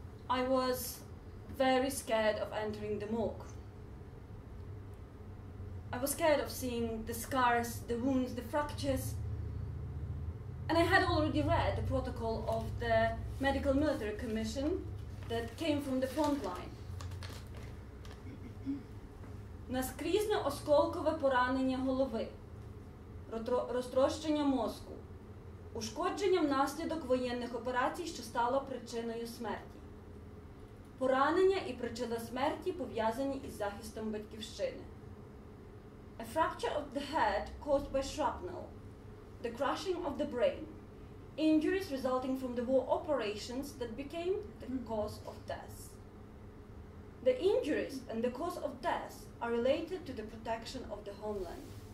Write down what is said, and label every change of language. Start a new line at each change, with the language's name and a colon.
English: I was very scared of entering the morgue. I was scared of seeing the scars, the wounds, the fractures. And I had already read the protocol of the Medical Military Commission that came from the front line.
Ukrainian: Наскрізне осколкове поранення голови, розтрощення мозку, ушкодження внаслідок воєнних операцій, що стало причиною смерті. Поранення і причина смерті пов'язані із захистом батьківщини.
English: A fracture of the head caused by shrapnel, the crushing of the brain, injuries resulting from the war operations that became the cause of death. The injuries and the cause of death are related to the protection of the homeland.